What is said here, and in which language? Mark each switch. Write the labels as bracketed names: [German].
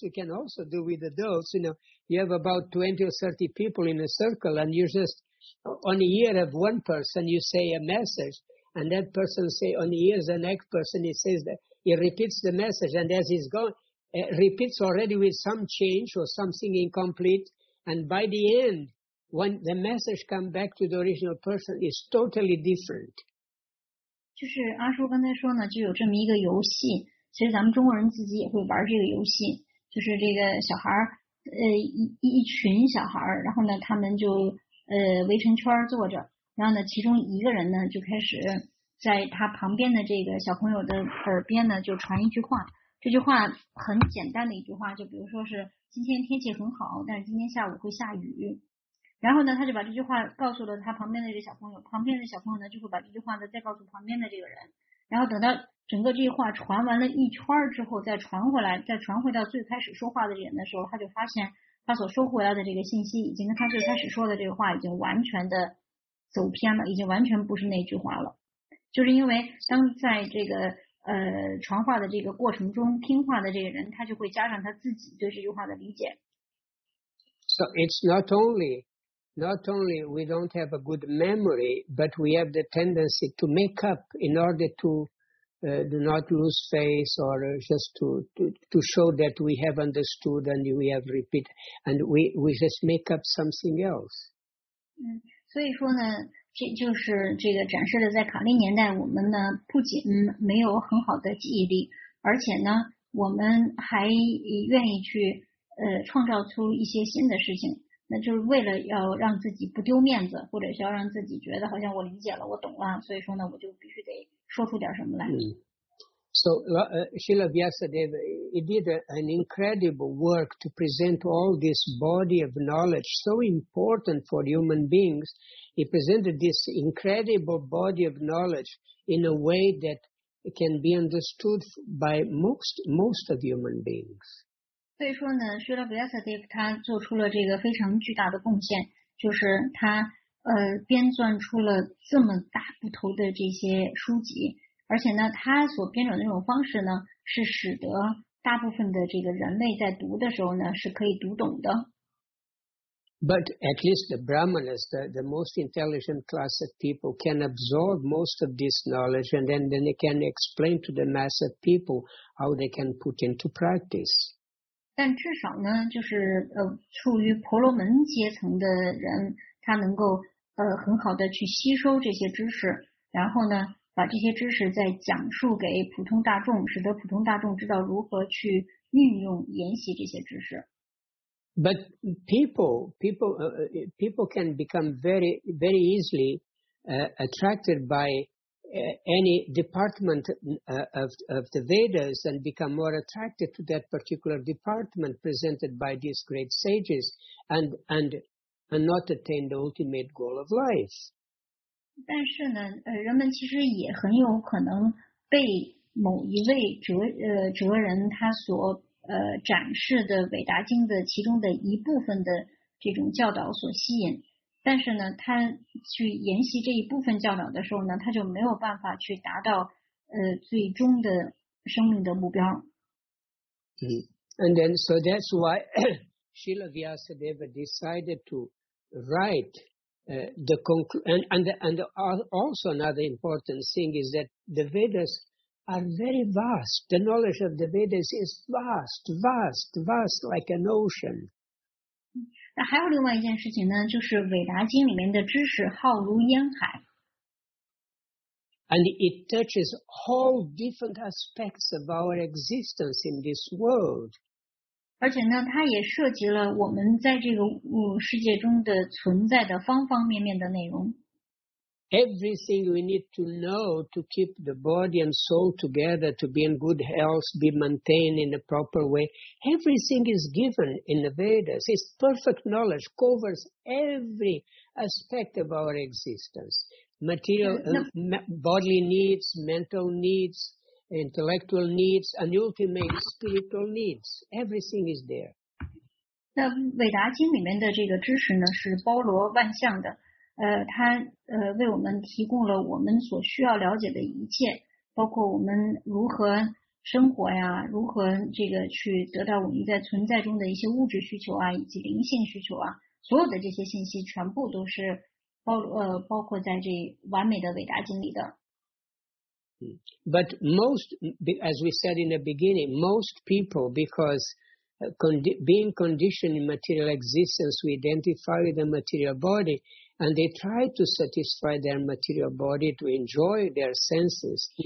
[English] You can also do with adults. You know, you have about 20 or 30 people in a circle, and you just, on the ear of one person, you say a message, and that person say on the ear of the next person, he says that, he repeats the message, and as he's gone, repeats already with some change or something incomplete, and by the end, when the message comes back to the original person, is totally different. [Chinese] 就是阿叔刚才说呢，就有这么一个游戏。其实咱们中国人自己也会玩这个游戏，就是这个小孩一群小孩，然后呢，他们就围成圈坐着，然后呢，其中一个人呢就开始在他旁边的这个小朋友的耳边呢就传一句话。这句话很简单的一句话，就比如说是今天天气很好，但是今天下午会下雨。然后呢，他就把这句话告诉了他旁边的这个小朋友，旁边的小朋友呢就会把这句话呢再告诉旁边的这个人。然后等到整个这句话传完了一圈之后，再传回来，再传回到最开始说话的人的时候，他就发现他所收回来的这个信息已经跟他最开始说的这个话已经完全的走偏了，已经完全不是那句话了。就是因为当在这个传话的这个过程中，听话的这个人，他就会加上他自己对这句话的理解。 [English] So it's not only we don't have a good memory, but we have the tendency to make up in order to do not lose face or just to show that we have understood and we have repeated, and we just make up something else. 所以说呢。这就是这个展示的，在卡利年代，我们呢不仅没有很好的记忆力，而且呢，我们还愿意去创造出一些新的事情，那就是为了要让自己不丢面子，或者是要让自己觉得好像我理解了，我懂了，所以说呢，我就必须得说出点什么来。 So Srila Vyasadeva, he did an incredible work to present all this body of knowledge so important for human beings. He presented this incredible body of knowledge in a way that can be understood by most of human beings. [Chinese] 所以说呢 Srila Vyasadeva 他做出了这个非常巨大的贡献，就是他编撰出了这么大部头的这些书籍，而且呢，他所编撰的这种方式呢，是使得大部分的这个人类在读的时候呢，是可以读懂的。 [English] But at least the Brahmanas, the most intelligent class of people, can absorb most of this knowledge, and then they can explain to the mass of people how they can put into practice. [Chinese] 但至少呢，就是处于婆罗门阶层的人，他能够很好的去吸收这些知识，然后呢，把这些知识再讲述给普通大众，使得普通大众知道如何去运用研习这些知识。 [English] But people can become very, very easily attracted by any department of the Vedas and become more attracted to that particular department presented by these great sages and not attain the ultimate goal of life. [Chinese] 但是呢，人们其实也很有可能被某一位哲人他所展示的伟大经的其中的一部分的这种教导所吸引。但是呢，他去研习这一部分教导的时候呢，他就没有办法去达到最终的生命的目标。 [English] And then, so that's why Srila Vyasadeva decided to write the conclusion. And also another important thing is that the Vedas are very vast. The knowledge of the Vedas is vast, vast, vast, like an ocean. [Chinese] 那还有另外一件事情呢，就是《伟达经》里面的知识浩如烟海。 [English] And it touches all different aspects of our existence in this world. [Chinese] 而且呢，它也涉及了我们在这个世界中的存在的方方面面的内容。 [English] Everything we need to know to keep the body and soul together, to be in good health, be maintained in a proper way, everything is given in the Vedas. It's perfect knowledge, covers every aspect of our existence. Material, 那 bodily needs, mental needs, intellectual needs, and ultimate spiritual needs. Everything is there. [Chinese] 伟达经里面的这个知识呢，是包罗万象的。它为我们提供了我们所需要了解的一切，包括我们如何生活呀，如何这个去得到我们在存在中的一些物质需求啊，以及灵性需求啊，所有的这些信息全部都是。包括在这完美的伟大经历的。 [English] But most, as we said in the beginning, most people, because being conditioned in material existence, we identify with the material body and they try to satisfy their material body to enjoy their senses.